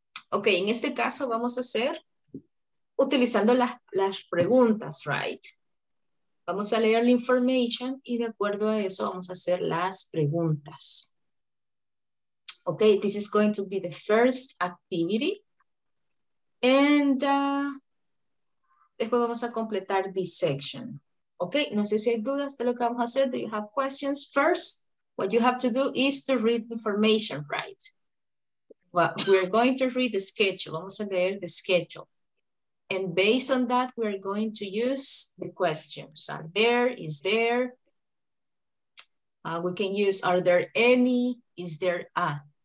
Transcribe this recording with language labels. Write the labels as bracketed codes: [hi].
[es] Okay, en este caso vamos a hacer utilizando las preguntas, right? Vamos a leer la information y de acuerdo a eso vamos a hacer las preguntas. [en] Okay, this is going to be the first activity. And [es] después vamos a completar [en] this section. [es] Okay, no sé si hay dudas de lo que vamos a hacer. [en] Do you have questions? First, what you have to do is to read information, right? Well, we're going to read the schedule. [es] Vamos a leer [en] the schedule. And based on that, we're going to use the questions. Are there? Is there? We can use, are there any? Is there a?